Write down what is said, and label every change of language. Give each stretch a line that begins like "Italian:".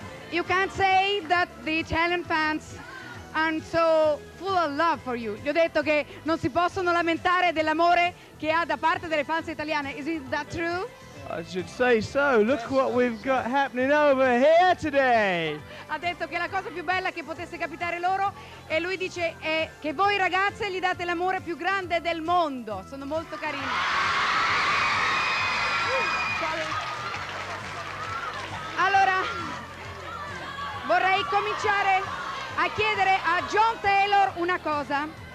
English: You can't say that the Italian fans are so full of love for you.
Italian: Gli ho detto che non si possono lamentare dell'amore che ha da parte delle fans italiane.
English: Is that true? I should say so. Look what we've got happening over here today.
Italian: Ha detto che la cosa più bella che potesse capitare loro, e lui dice, è che voi ragazze gli date l'amore più grande del mondo. Sono molto carini. Allora, vorrei cominciare a chiedere a John Taylor una cosa.